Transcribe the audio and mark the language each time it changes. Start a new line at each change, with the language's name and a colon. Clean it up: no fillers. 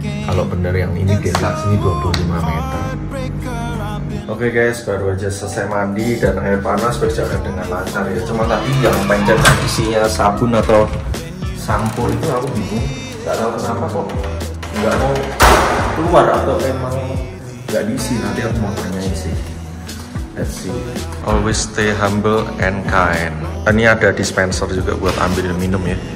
Indonesian: Kalau bener yang ini gelap sini 25 meter. Oke guys, baru aja selesai mandi dan air panas berjalan dengan lancar ya. Cuma tadi yang pencetan isinya sabun atau sampo itu aku bingung. Gak tahu kenapa kok gak mau keluar atau emang gak diisi. Nanti aku mau tanyain sih.
English: Let's see. Always stay humble and kind.
Indonesian: Ini ada dispenser juga buat ambil minum ya.